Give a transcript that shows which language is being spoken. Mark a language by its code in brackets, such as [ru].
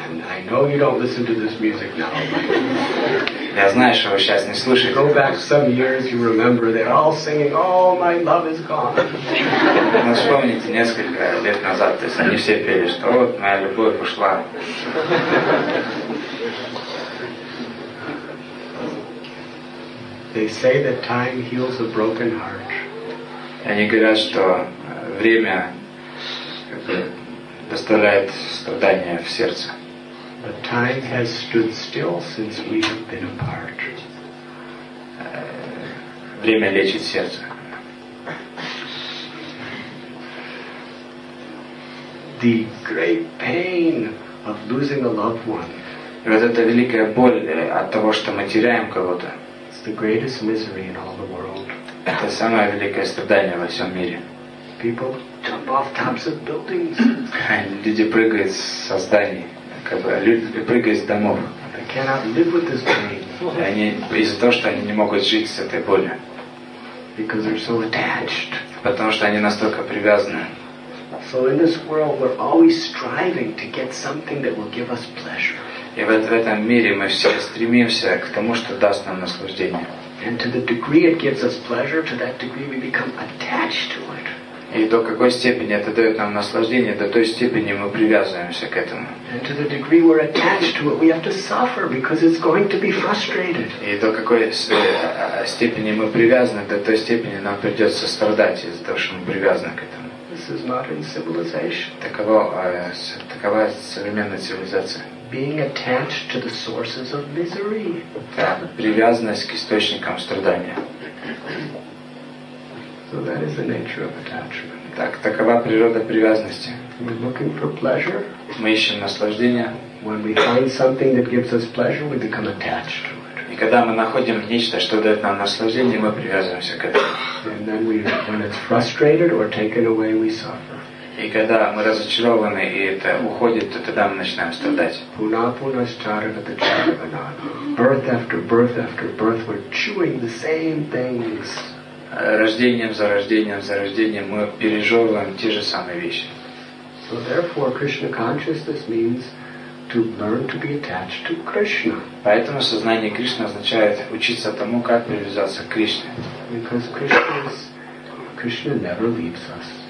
[en] I know you don't listen to this music now. [ru] Я знаю, что вы сейчас не слушаете. [en] Go back some years, you remember, they're all singing, "Oh, my love is gone." [ru] Но вспомните несколько лет назад, то есть они все пели, что вот моя любовь ушла. [en] They say that time heals a broken heart. [ru] Они говорят, что время доставляет страдания в сердце. [en] But time has stood still since we have been apart. [ru] Время лечит сердце. [en] The great pain of losing a loved one. [ru] И вот эта великая боль от того, что мы теряем кого-то. [en] It's the greatest misery in all the world. [ru] Это самое великое страдание во всем мире. [en] People jump off tops of buildings. [ru] Люди прыгают со зданий. Люди прыгают с домов. [en] They cannot live with this pain. [ru] Они из-за того, что они не могут жить с этой болью. [en] Because they're so attached. [ru] Потому что они настолько привязаны. [en] So in this world, we're always striving to get something that will give us pleasure. [ru] И вот в этом мире мы все стремимся к тому, что даст нам наслаждение. [en] And to the degree it gives us pleasure, to that degree we become attached to it. [ru] И до какой степени это дает нам наслаждение, до той степени мы привязываемся к этому. [en] And to the degree we're attached to it, we have to suffer because it's going to be frustrated. [ru] И до какой степени мы привязаны, до той степени нам придется страдать из-за того, что мы привязаны к этому. [en] This is modern civilization. [ru] Такова современная цивилизация. [en] Being attached to the sources of misery. [ru] Да, привязанность к источникам страдания. [en] So that is the nature of attachment. [ru] Так, такова природа привязанности. [en] We're looking for pleasure. [ru] Мы ищем наслаждение. [en] When we find something that gives us pleasure, we become attached to it. [ru] И когда мы находим нечто, что дает нам наслаждение, мы привязываемся к этому. [en] And then when it's frustrated or taken away, we suffer. [ru] И когда мы разочарованы и это уходит, то тогда мы начинаем страдать. [en] Puna puna started at the Chandavana. Birth after birth after birth, we're chewing the same things. [ru] Рождением за рождением за рождением мы пережевываем те же самые вещи. [en] So therefore, Krishna consciousness means to learn to be attached to Krishna. [ru] Поэтому сознание Кришны означает учиться тому, как привязаться к Кришне. [en] Because Krishna never leaves us.